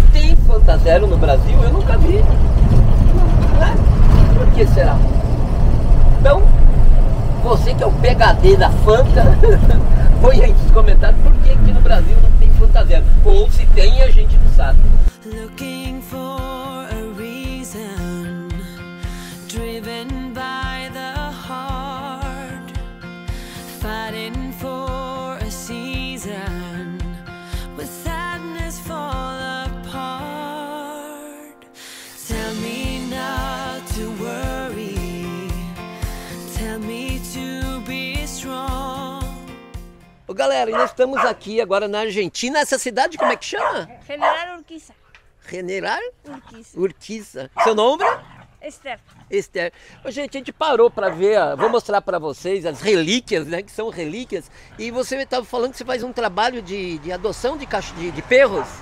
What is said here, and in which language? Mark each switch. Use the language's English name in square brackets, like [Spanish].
[Portuguese] Tem Fanta Zero no Brasil? Eu nunca vi. Não, né? Por que será? Então, você que é o PhD da Fanta, põe aí nos comentários por que que no Brasil não tem Fanta Zero. Ou se tem, a gente não sabe. [English] Looking for a reason, driven by the heart, fighting for a season, with sadness fall apart. Tell me not to worry, tell me to be strong. [Portuguese] Ô galera, nós estamos aqui agora na Argentina. Essa cidade, como é que chama? General Urquiza. General Urquiza. Urquiza. Seu nome? Esther. Esther. Oh, gente, a gente parou para ver, ó, vou mostrar para vocês as relíquias, né? Que são relíquias. E você estava falando que você faz um trabalho de adoção de, cacho, [Spanish] de perros?